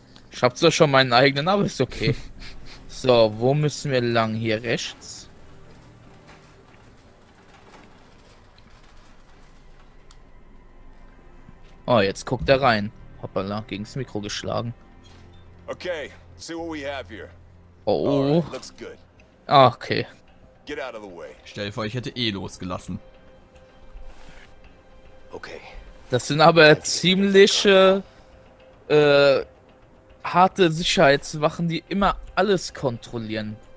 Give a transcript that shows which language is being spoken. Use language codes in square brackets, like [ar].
[de] Ich hab zwar schon meinen eigenen, aber ist okay. So, wo müssen wir lang? Hier rechts? Oh, jetzt guckt er rein. Hoppala, gegen's Mikro geschlagen. [en] Okay, see what we have here. Oh. Alright, looks good. Okay. Get out of the way. [de] Stell dir vor, ich hätte eh losgelassen. Okay. Das sind aber ziemliche harte Sicherheitswachen, die immer alles kontrollieren.